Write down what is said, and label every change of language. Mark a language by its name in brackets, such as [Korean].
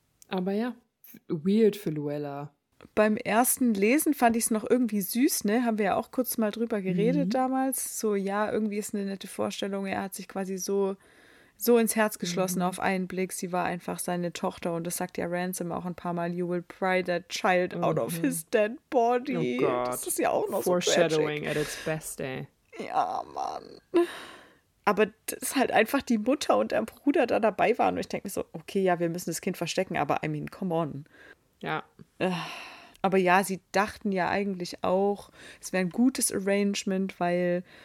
[German] Aber ja, weird für Luella. Beim ersten Lesen fand ich es noch irgendwie süß, ne? Haben wir ja auch kurz mal drüber geredet damals. So, ja, irgendwie ist eine nette Vorstellung. Er hat sich quasi so ins Herz geschlossen auf einen Blick. Sie war einfach seine Tochter. Und das sagt ja Ransom auch ein paar Mal. [English] You will pry that child out of his dead body. [German] Oh Gott. Das ist ja auch noch [English] Foreshadowing so at its best, ey. [German] Ja, Mann. Aber das ist halt einfach die Mutter und der Bruder da dabei waren. Und ich denke mir so, okay, ja, wir müssen das Kind verstecken. [English] Aber I mean, come on. [German] Ja. Aber ja, sie dachten ja eigentlich auch, es wäre ein gutes Arrangement, weil